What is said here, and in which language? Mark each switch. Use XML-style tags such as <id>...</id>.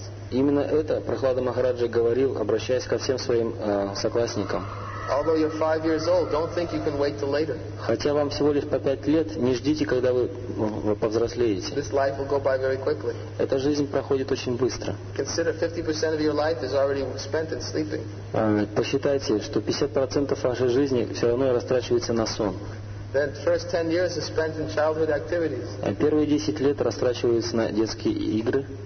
<ru>Именно это Прохлада Махараджа говорил, обращаясь ко всем своим соклассникам.</ru> <en>Although you're 5 years old, don't think you can wait till later.</en> <ru>Хотя вам всего лишь по 5 лет, не ждите, когда вы повзрослеете.</ru> <en>This life will go by very quickly.</en> <ru>Эта жизнь проходит очень быстро.</ru> <en>Consider 50% of your life is already spent in sleeping.</en> <ru>Посчитайте, что 50% вашей жизни все равно растрачивается на сон.</ru> <en>Then first 10 years is spent in childhood activities.</en> <ru>Первые 10 лет растрачиваются на детские игры.</ru>